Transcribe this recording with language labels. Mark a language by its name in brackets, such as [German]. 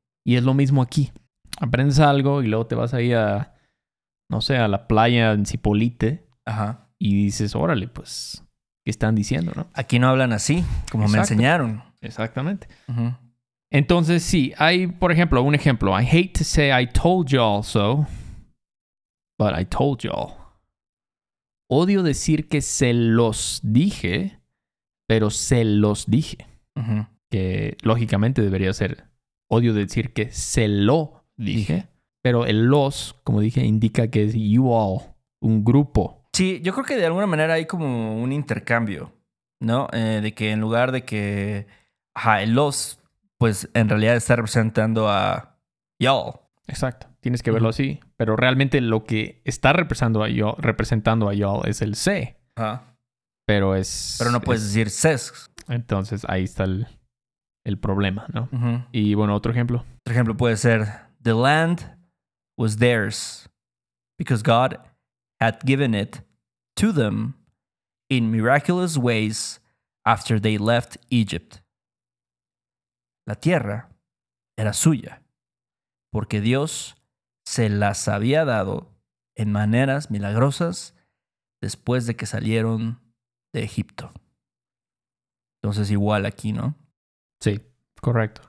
[Spanish] Y es lo mismo aquí. Aprendes algo y luego te vas ahí a, no sé, a la playa en Zipolite. Ajá. Y dices, órale, pues, ¿qué están diciendo, no? Aquí no hablan así, como me enseñaron. Exactamente. Entonces, sí, hay, por ejemplo, un ejemplo. [English] I hate to say I told y'all so, but I told y'all. [Spanish] Odio decir que se los dije, pero se los dije. Que lógicamente debería ser. Odio decir que se lo dije. Pero el los, como dije, indica que es [English] you all, [Spanish] un grupo. Sí, yo creo que de alguna manera hay como un intercambio, ¿no? De que en lugar de que el los, pues en realidad está representando a y'all. Exacto. Tienes que verlo así. Pero realmente lo que está representando a y'all es el se. Pero es... Pero no puedes decir ses. Entonces ahí está el problema, ¿no? Y bueno, otro ejemplo. Otro ejemplo puede ser [English] the land was theirs because God had given it to them in miraculous ways after they left Egypt. [Spanish] La tierra era suya porque Dios se las había dado en maneras milagrosas después de que salieron de Egipto. Entonces igual aquí, ¿no? Sí, correcto.